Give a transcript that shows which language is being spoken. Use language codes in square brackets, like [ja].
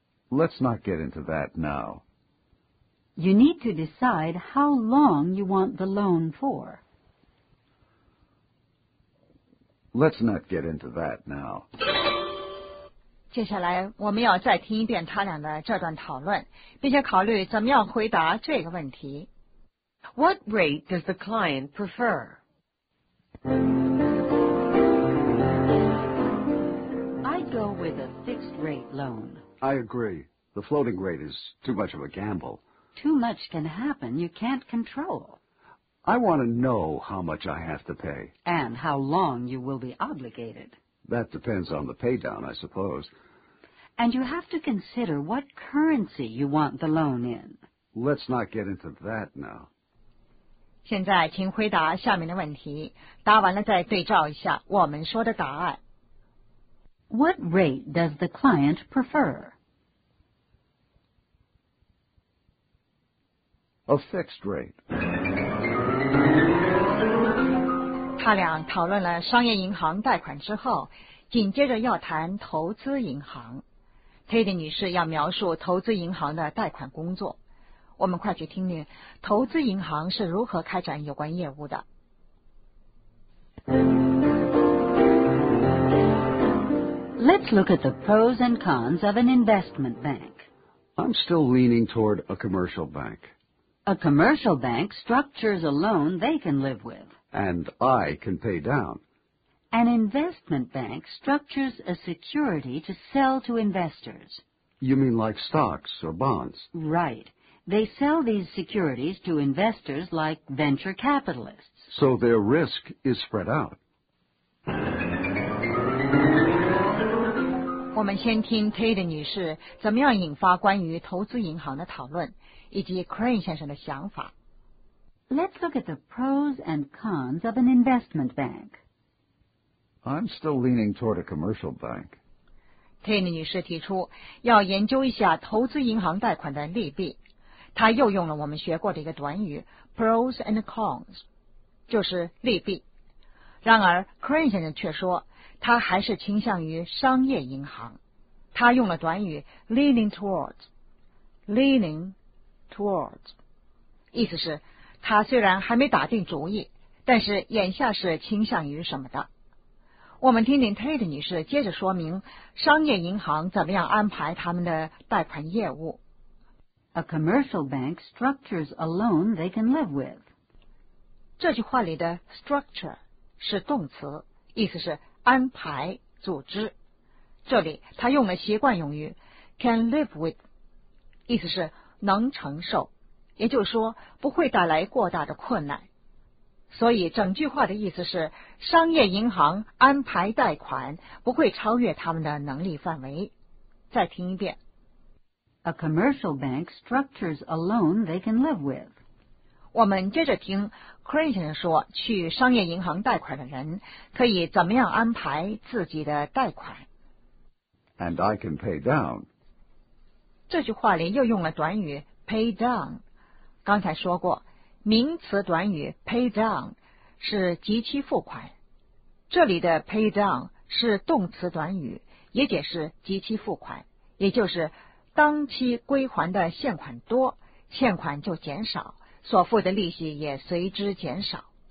[en] Let's not get into that now. You need to decide how long you want the loan for. Let's not get into that now. [zh] 接下来我们要再听一遍他俩的这段讨论，并且考虑怎么样回答这个问题。 [en] What rate does the client prefer? I'd go with a fixed rate loan. I agree. The floating rate is too much of a gamble. Too much can happen you can't control. I want to know how much I have to pay. And how long you will be obligated. That depends on the pay down, I suppose. And you have to consider what currency you want the loan in. Let's not get into that now. [zh] 现在请回答下面的问题，答完了再对照一下我们说的答案。 [en] What rate does the client prefer? A fixed rate. [zh] 他俩讨论了商业银行贷款之后，紧接着要谈投资银行。 Tate 女士要描述投资银行的贷款工作。我们快去听听投资银行是如何开展有关业务的。 [en] Let's look at the pros and cons of an investment bank. I'm still leaning toward a commercial bank. A commercial bank structures a loan they can live with. And I can pay down. An investment bank structures a security to sell to investors. You mean like stocks or bonds? Right. They sell these securities to investors like venture capitalists. So their risk is spread out. [zh] 我们先听 Tate 女士怎么样引发关于投资银行的讨论。以及 Crane 先生的想法。 [en] Let's look at the pros and cons of an investment bank. I'm still leaning toward a commercial bank. [zh] Tate 女士提出要研究一下投资银行贷款的利弊。她又用了我们学过的一个短语 [en] pros and cons, [zh] 就是利弊。然而 Crane 先生却说他还是倾向于商业银行。他用了短语 [en] leaning towards, leaning towards, [zh] 意思是他虽然还没打定主意，但是眼下是倾向于什么的。我们听听 Tate 女士接着说明商业银行怎么样安排他们的贷款业务。 [en] A commercial bank structures a loan they can live with. [zh] 这句话里的 structure 是动词，意思是安排、组织。这里他用了习惯用语 [en] can live with, [zh] 意思是能承受，也就是说不会带来过大的困难。所以整句话的意思是商业银行安排贷款不会超越他们的能力范围。再听一遍。 [en] A commercial bank structures a loan they can live with. [zh] 我们接着听 Creighton 说去商业银行贷款的人可以怎么样安排自己的贷款。 [en] And I can pay down. [zh] 这句话里又用了短语 [en] pay down。 [zh] 刚才说过名词短语 pay down 是即期付款，这里的 pay down 是动词短语，也解释即期付款，也就是当期归还的现款多，现款就减少，所付的利息也随之减少。